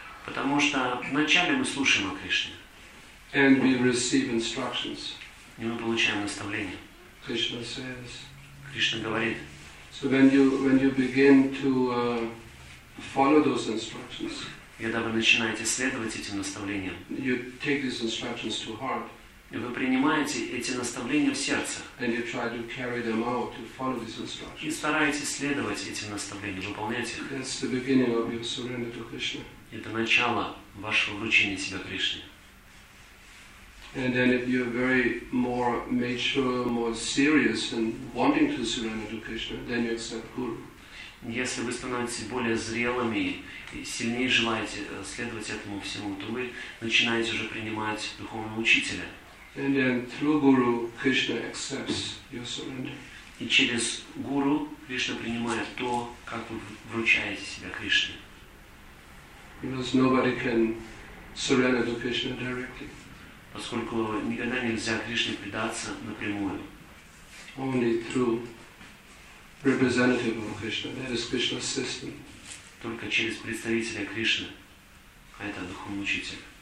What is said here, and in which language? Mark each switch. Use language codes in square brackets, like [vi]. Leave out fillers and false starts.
[ru] Потому что вначале мы слушаем о Кришне. [en] And we receive instructions. [ru] И мы получаем наставления. [en] Krishna says. [ru] Кришна говорит. [en] So when you begin to follow those instructions, [ru] когда вы начинаете следовать этим наставлениям, [en] you take these instructions to heart, [ru] и вы принимаете эти наставления в сердце, [en] and you try to carry them out to follow these instructions, [ru] и стараетесь следовать этим наставлениям, выполнять их. [en] That's the beginning of your surrender to Krishna. [ru] Это начало вашего вручения себя Кришне. [en] And then if you're very more mature, more serious and wanting to surrender to Krishna, then you accept Guru. [ru] Если вы становитесь более зрелыми и сильнее желаете следовать этому всему, то вы начинаете уже принимать духовного учителя. [en] And then through Guru, Krishna accepts your surrender. [ru] И через Гуру Кришна принимает то, как вы вручаете себя Кришне. [en] Because nobody can surrender to Krishna directly. [ru] Поскольку никогда нельзя Кришне предаться напрямую. [en] Only through representative of Krishna, that is Krishna's system. [ru] Только через представителя Кришны, а это духовный учитель.